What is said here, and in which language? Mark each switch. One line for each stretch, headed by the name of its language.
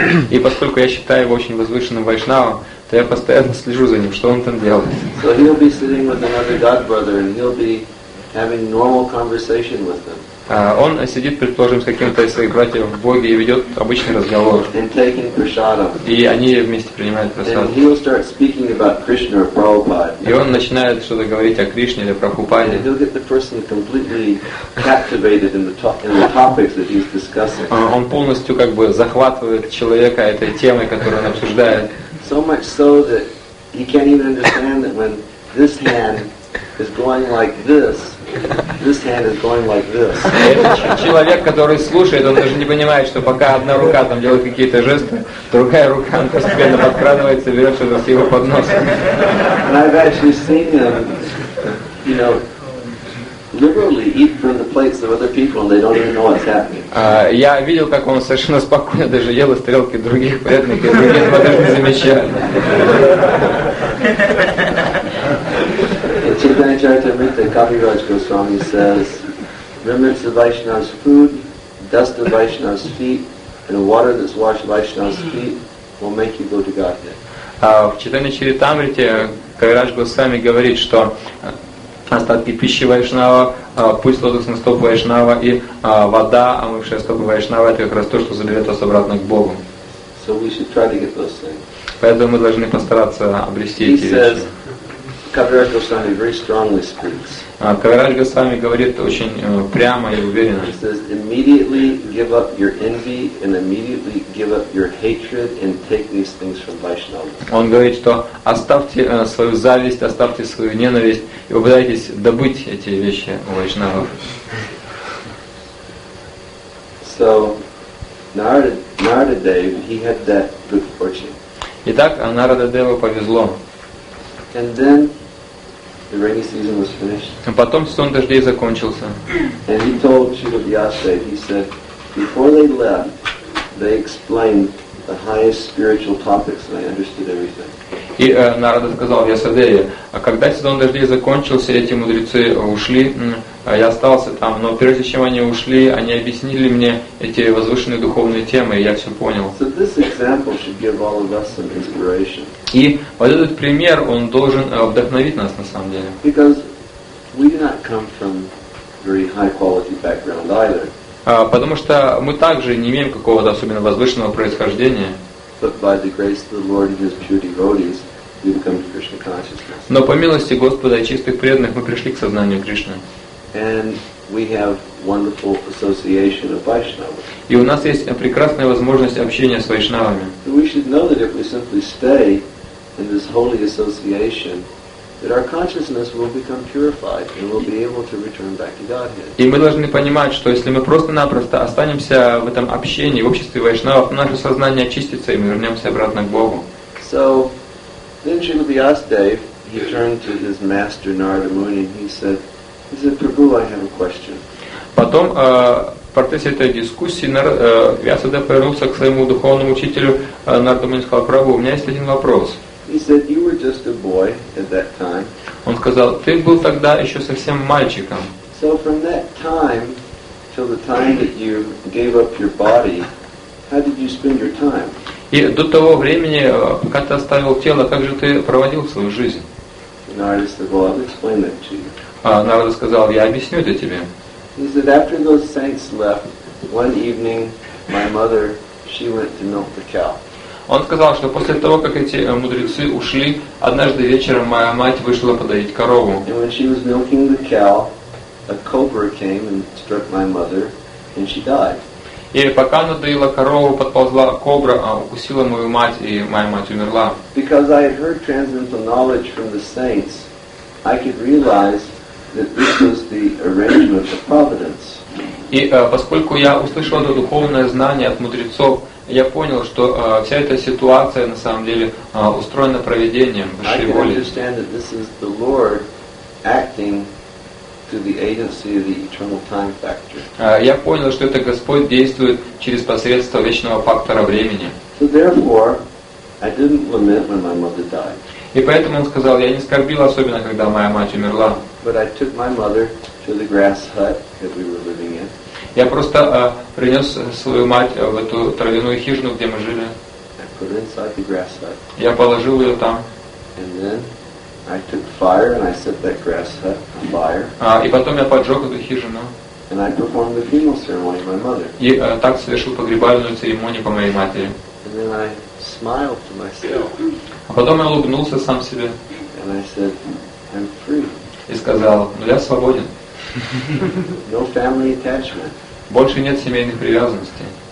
Russian: И поскольку я считаю его очень возвышенным вайшнавом, то я постоянно слежу за ним, что он там делает.
English: So he'll be sitting with another god brother and he'll be having normal conversation with them.
Russian: Он сидит, предположим, с каким-то из своих братьев в Боге и ведет обычный разговор. И они вместе принимают прасад. И он начинает что-то говорить о Кришне или Прабхупаде. Он полностью как бы захватывает человека этой темой, которую он обсуждает.
English: So much so that he can't even understand that when this hand is going like this, this hand is going like this.
Russian: Человек, который слушает, он даже не понимает, что пока одна рука там делает какие-то жесты, другая рука постепенно подкрадывается, берет что-то с его подноса.
English: And I've actually seen them, literally eat from the plates of other people, and they don't even know what's happening.
Russian: Я видел, как он совершенно спокойно даже ел из тарелки других преданных, и другие этого даже не замечали.
English: Chaitanya Kaviraj Goswami says, remnants of Vaishnava's food, dust of Vaishnava's feet, and the water that's washed Vaishnava's feet will make you go to Godhead.
Russian: В Читане Чаритамрите Кавирадж Госвами говорит, что остатки пищи вайшнава, пусть лотосный стоп вайшнава и вода, омывшая стопы вайшнава, это как раз то, что заберет вас обратно к Богу.
English: So we should try to get those things.
Russian: Поэтому мы должны постараться обрести эти вещи.
English: Kaviraj Goswami very strongly speaks.
Russian: Кавирадж Госвами говорит очень прямо и уверенно.
English: He says, immediately give up your envy and immediately give up your hatred and take these things from Vaishnava.
Russian: Он говорит, что оставьте свою зависть, оставьте свою ненависть и попытайтесь добыть эти вещи у вайшнавов.
English: So Narada Dev, he had that good fortune.
Russian: Итак, Нарада Деву повезло.
English: And then the rainy season was finished.
Russian: А потом сезон дождей закончился.
English: And he told Shiva Vyasadeva, he said, before they left, they explained the highest spiritual topics and I understood everything.
Russian: И Нарада сказал Вьясадеве: а когда сезон дождей закончился, эти мудрецы ушли, я остался там, но прежде чем они ушли, они объяснили мне эти возвышенные духовные темы, и я все понял.
English: So this example should give all of us some inspiration.
Russian: И вот этот пример, он должен вдохновить нас на самом деле.
English: Because we do not come from very high quality background either.
Russian: Потому что мы также не имеем какого-то особенно возвышенного происхождения.
English: But by the grace of the Lord and His pure devotees, we become to Krishna consciousness.
Russian: Но по милости Господа и чистых преданных мы пришли к сознанию Кришны.
English: And we have wonderful association of Vaishnavas.
Russian: И у нас есть прекрасная возможность общения с Вайшнавами.
English: We should know that if we simply stay in this holy association, that our consciousness will become purified and will be able to return back to Godhead.
Russian: И мы должны понимать, что если мы просто-напросто останемся в этом общении, в обществе Вайшнавов, наше сознание очистится и мы вернемся обратно к Богу.
English: So, then Srila Vyasadeva, he turned to his master Narada Muni and he said, he said, Prabhu, I have a question.
Russian: Потом, в процессе этой дискуссии, Вьясадева повернулся к своему духовному учителю Нарада Муни и сказал, Прабху, у меня есть один вопрос.
English: He said, you were just a boy at that time.
Russian: Он сказал, ты был тогда еще совсем мальчиком.
English: So from that time, till the time that you gave up your body, how did you spend your time?
Russian: И до того времени, пока ты оставил тело, как же ты проводил свою жизнь?
English: Narada said, well, I'll explain that to you.
Russian: Народ сказал, я объясню это тебе.
English: He said, after those saints left, one evening, my mother, she went to milk the cow.
Russian: Он сказал, что после того, как эти мудрецы ушли, однажды вечером моя мать вышла подоить корову.
English: And when she was milking the cow, a cobra came and struck my mother, and she died.
Russian: И пока она доила корову, подползла кобра, укусила мою мать, и моя мать умерла.
English: Because I had heard transcendental knowledge from the saints, I could realize that this was the arrangement of providence.
Russian: И поскольку я услышал это духовное знание от мудрецов, я понял, что вся эта ситуация на самом деле устроена провидением высшей воли.
English: I could understand that this is the Lord acting through the agency of the eternal time factor.
Russian: Я понял, что это Господь действует через посредство вечного фактора времени.
English: So therefore, I didn't lament when my mother died.
Russian: И поэтому он сказал, я не скорбил особенно, когда моя мать умерла.
English: But I took my mother to the grass hut that we were living in.
Russian: Я просто принес свою мать в эту травяную хижину, где мы жили.
English: I put her inside the grass hut.
Russian: Я положил ее там.
English: And then I took fire and I set that grass hut on fire.
Russian: И потом я поджег эту хижину.
English: And I performed the funeral ceremony of my mother.
Russian: И так совершил погребальную церемонию по моей матери.
English: And then I smiled to myself.
Russian: А потом я улыбнулся сам себе.
English: And I said, I'm free.
Russian: И сказал, ну я свободен.
English: No family attachment.
Russian: Больше нет семейных привязанностей.